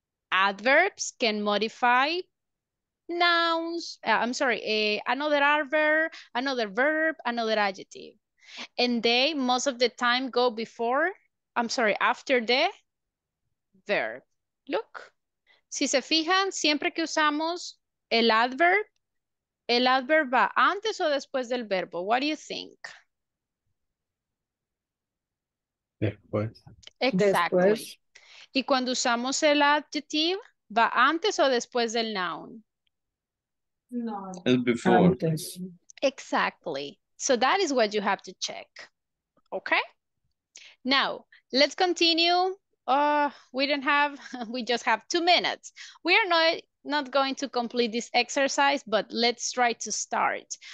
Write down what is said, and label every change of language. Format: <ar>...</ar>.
<en>Adverbs can modify nouns. Another adverb, another verb, another adjective. And they most of the time go before, after the verb. Look.</en> <es>Si se fijan, siempre que usamos el adverb, ¿el adverb va antes o después del verbo?</es> <en>What do you think?</en> <es>Después.</es> <en>Exactly.</en> <es>Después. ¿Y cuando usamos el adjective, va antes o después del noun? No.</es> <en>It's before.</en> <es>Antes.</es> <en>Exactly. So that is what you have to check. Okay? Now, let's continue. We just have 2 minutes. We are not going to complete this exercise, but let's try to start.</en>